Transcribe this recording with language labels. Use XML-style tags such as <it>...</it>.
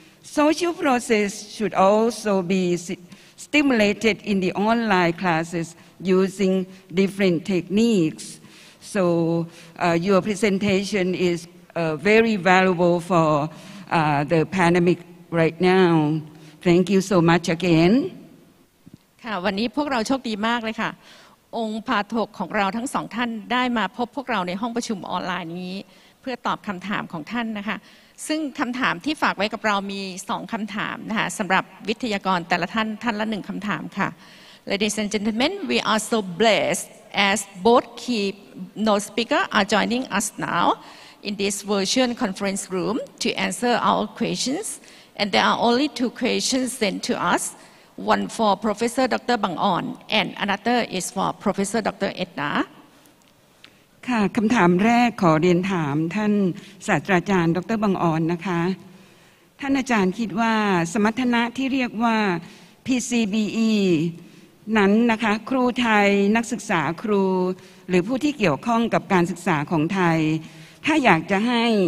<en>Social process should also be stimulated in the online classes using different techniques. So your presentation is very valuable for the pandemic right now. Thank you so much again.</en> <th>ค่ะวันนี้พวกเราโชคดีมากเลยค่ะองค์พาทกของเราทั้งสองท่านได้มาพบพวกเราในห้องประชุมออนไลน์นี้ พื่อตอบคำถามของท่านนะคะซึ่งคำถามที่ฝากไว้กับเรามี2คำถามนะคะสำหรับวิทยากรแต่ละท่านท่านละ1คำถามค่ะ</th> <en>Ladies and gentlemen we are so blessed as both key note speakers are joining us now in this virtual conference room to answer our questions and there are only two questions sent to us one for Professor Dr. Bang On and another is for Professor Dr. Edna</en> <th>ค่ะคำถามแรกขอเรียนถามท่านศาสตราจารย์ดร.บังออนนะคะท่านอาจารย์คิดว่าสมรรถนะที่เรียกว่า PCBE นั้นนะคะครูไทยนักศึกษาครูหรือผู้ที่เกี่ยวข้องกับการศึกษาของไทยถ้าอยากจะให้</th>